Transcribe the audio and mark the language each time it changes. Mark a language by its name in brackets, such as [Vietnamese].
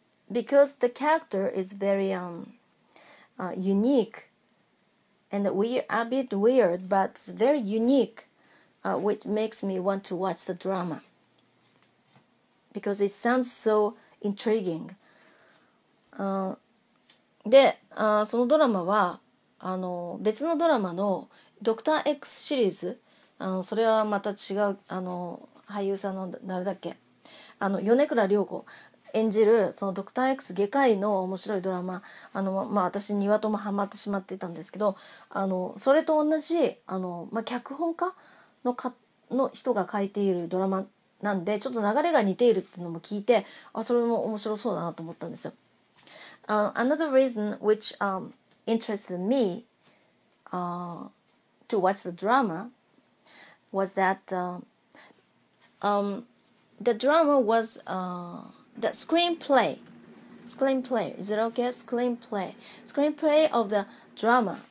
[English] Because the character is very unique, and a bit weird, but very unique, which makes me want to watch the drama. Because it sounds so intriguing. [Japanese] そのドラマは、別のドラマのドクター X シリーズ、それはまた違う、俳優さんの誰だっけ、米倉涼子演じるそのドクター X 外科医の面白いドラマ、私2話ともハマってしまっていたんですけど、それと同じ脚本家 の人が書いているドラマなんで、ちょっと流れが似ているっていうのも聞いて、それも面白そうだなと思ったんですよ。 [English] Another reason which interested me to watch the drama was that the drama was the screenplay. Is it okay? Screenplay of the drama.